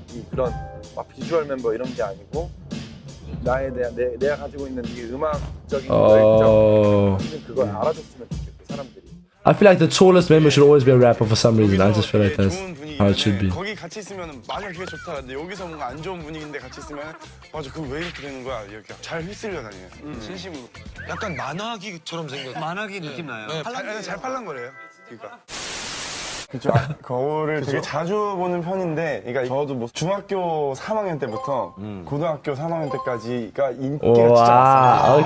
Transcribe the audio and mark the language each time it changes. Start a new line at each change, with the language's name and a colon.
Korean: 그런 막 비주얼 멤버 이런 게 아니고 나에 대한 내가 가지고 있는 이 음악적인 열정 그걸 알아줬으면 좋겠고 사람들이.
English: I feel like the tallest member should always be a rapper for some reason. I just feel like that's how it should be.
Korean: 거기 같이 있으면 마냥 그게 좋다. 근데 여기서 뭔가 안 좋은 분위기인데 같이 있으면 맞아 그 왜 이렇게 되는 거야 이렇게 잘 휘슬려 다니네. 진심으로 약간 만화기처럼 생겨. 만화기 느낌 나요. 팔랑거려요. 잘 팔랑거려요. 그러니까. 그쵸. 거울을 되게 자주 보는 편인데, 그러니까 저도 뭐 중학교 3학년 때부터 고등학교 3학년 때까지가 인기가 진짜 많았어요.